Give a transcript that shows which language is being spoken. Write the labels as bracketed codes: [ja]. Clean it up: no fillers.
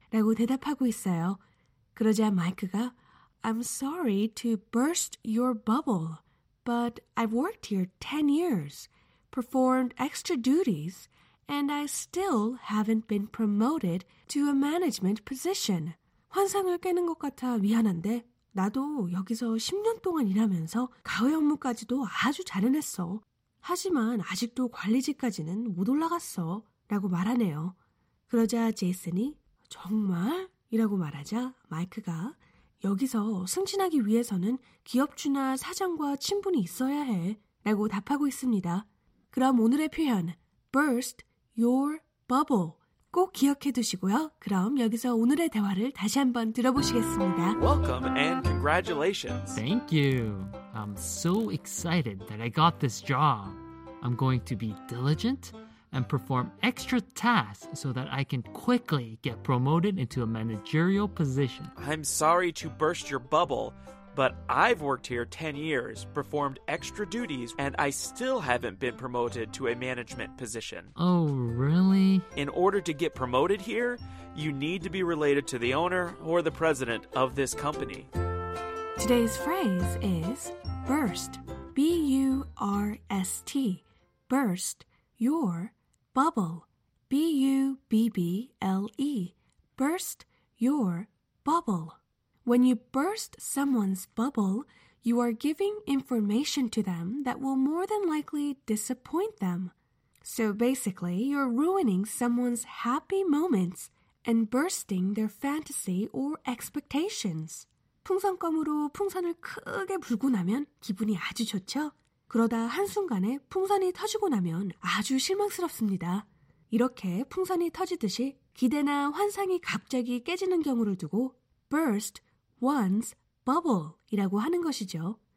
[ko] 라고 대답하고 있어요. 그러자 마이크가 [en] I'm sorry to burst your bubble, but I've worked here 10 years, performed extra duties, and I still haven't been promoted to a management position. [ko] 환상을 깨는 것 같아 미안한데 나도 여기서 10년 동안 일하면서 가회 업무까지도 아주 잘은 했어. 하지만 아직도 관리직까지는 못 올라갔어 라고 말하네요. 그러자 제이슨이 정말? 이라고 말하자 마이크가 여기서 승진하기 위해서는 기업주나 사장과 친분이 있어야 해 라고 답하고 있습니다. 그럼 오늘의 표현 burst your bubble 꼭 기억해 두시고요. 그럼 여기서 오늘의 대화를 다시 한번 들어보시겠습니다. [en] Welcome and congratulations. Thank you. I'm so excited that I got this job. I'm going to be diligent and perform extra tasks so that I can quickly get promoted into a managerial position. I'm sorry to burst your bubble, but I've worked here 10 years, performed extra duties, and I still haven't been promoted to a management position. Oh, really? In order to get promoted here, you need to be related to the owner or the president of this company. Today's phrase is burst, B B-U-R-S-T, burst, your, bubble, B-U-B-B-L-E, burst, your, bubble. When you burst someone's bubble, you are giving information to them that will more than likely disappoint them. So basically, you're ruining someone's happy moments and bursting their fantasy or expectations. [ko] 풍선껌으로 풍선을 크게 불고 나면 기분이 아주 좋죠? 그러다 한순간에 풍선이 터지고 나면 아주 실망스럽습니다. 이렇게 풍선이 터지듯이 기대나 환상이 갑자기 깨지는 경우를 두고 burst one's bubble이라고 하는 것이죠.